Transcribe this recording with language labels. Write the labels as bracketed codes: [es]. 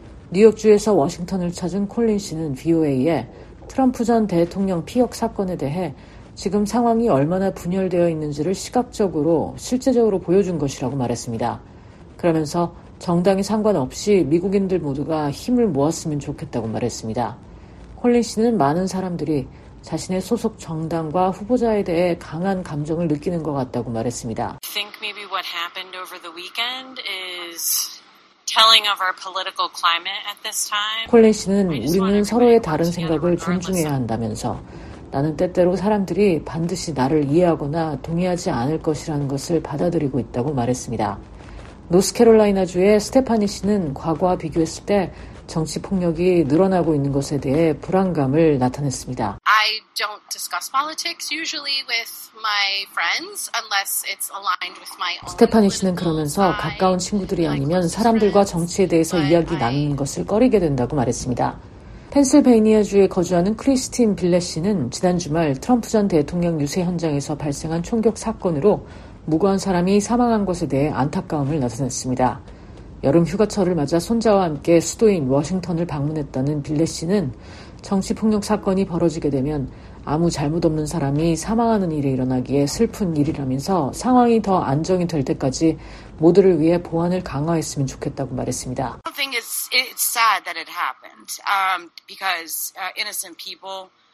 [ko] 뉴욕주에서 워싱턴을 찾은 콜린 씨는 VOA에 트럼프 전 대통령 피격 사건에 대해 지금 상황이 얼마나 분열되어 있는지를 시각적으로 실제적으로 보여준 것이라고 말했습니다. 그러면서 정당이 상관없이 미국인들 모두가 힘을 모았으면 좋겠다고 말했습니다. 콜린 씨는 많은 사람들이 자신의 소속 정당과 후보자에 대해 강한 감정을 느끼는 것 같다고 말했습니다. [en] I think maybe what happened over the weekend is telling of our political climate at this time. [ko] 콜린 씨는 우리는 서로의 다른 생각을 존중해야 한다면서 나는 때때로 사람들이 반드시 나를 이해하거나 동의하지 않을 것이라는 것을 받아들이고 있다고 말했습니다. 노스캐롤라이나주의 스테파니 씨는 과거와 비교했을 때 정치폭력이 늘어나고 있는 것에 대해 불안감을 나타냈습니다. [en] I don't discuss politics usually with my friends unless it's aligned with my own. [ko] 스테파니 씨는 그러면서 가까운 친구들이 아니면 사람들과 정치에 대해서 이야기 나누는 것을 꺼리게 된다고 말했습니다. 펜실베니아주에 거주하는 크리스틴 빌레 씨는 지난 주말 트럼프 전 대통령 유세 현장에서 발생한 총격 사건으로 무고한 사람이 사망한 것에 대해 안타까움을 나타냈습니다. 여름 휴가철을 맞아 손자와 함께 수도인 워싱턴을 방문했다는 빌레 씨는 정치폭력 사건이 벌어지게 되면 아무 잘못 없는 사람이 사망하는 일이 일어나기에 슬픈 일이라면서 상황이 더 안정이 될 때까지 모두를 위해 보안을 강화했으면 좋겠다고 말했습니다. [en] I think it's sad that it happened because innocent people